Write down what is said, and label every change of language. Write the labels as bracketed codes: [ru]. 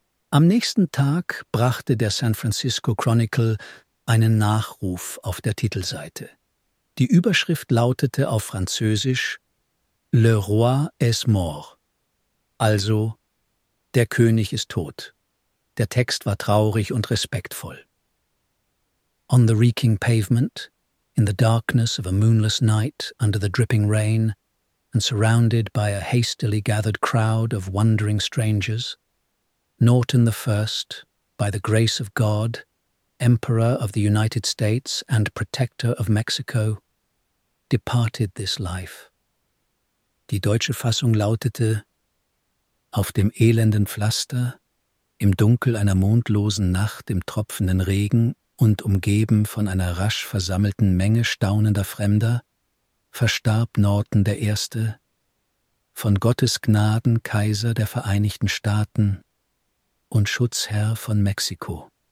[de] Am nächsten Tag brachte der San Francisco Chronicle einen Nachruf auf der Titelseite. Die Überschrift lautete auf Französisch [fr] Le roi est mort, [de] also Der König ist tot. Der Text war traurig und respektvoll. [en] On the reeking pavement, in the darkness of a moonless night under the dripping rain and surrounded by a hastily gathered crowd of wondering strangers, Norton I, by the grace of God, Emperor of the United States and Protector of Mexico, departed this life. [de] Die deutsche Fassung lautete, auf dem elenden Pflaster, im Dunkel einer mondlosen Nacht, im tropfenden Regen und umgeben von einer rasch versammelten Menge staunender Fremder, verstarb Norton I, von Gottes Gnaden Kaiser der Vereinigten Staaten und Schutzherr von Mexiko.